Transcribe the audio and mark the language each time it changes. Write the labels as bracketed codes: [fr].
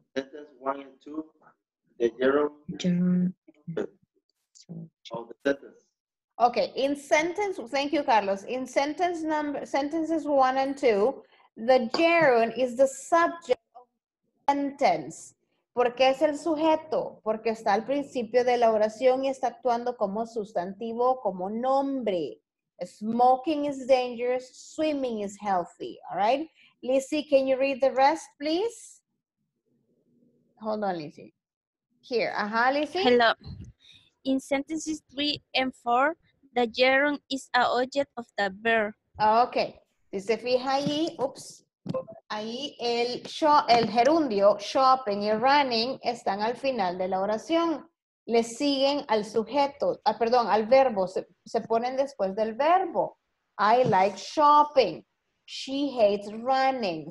[en] Sentence one and two, the gerund of the sentence. Okay, in sentence, thank you, Carlos. In sentence number, sentences one and two, the gerund is the subject of the sentence. [es] ¿Por qué es el sujeto? Porque está al principio de la oración y está actuando como sustantivo, como nombre. [en] Smoking is dangerous, swimming is healthy, all right? Lizzie, can you read the rest, please? Hold on, Lizzie. Here, Lizzie. Hello. In sentences three and four, the gerund is a object of the verb. [es] Oh, okay. Si se fija ahí, oops. Ahí el gerundio, shopping y running, están al final de la oración. Le siguen al sujeto, perdón, al verbo. Se ponen después del verbo. [en] I like shopping. She hates running.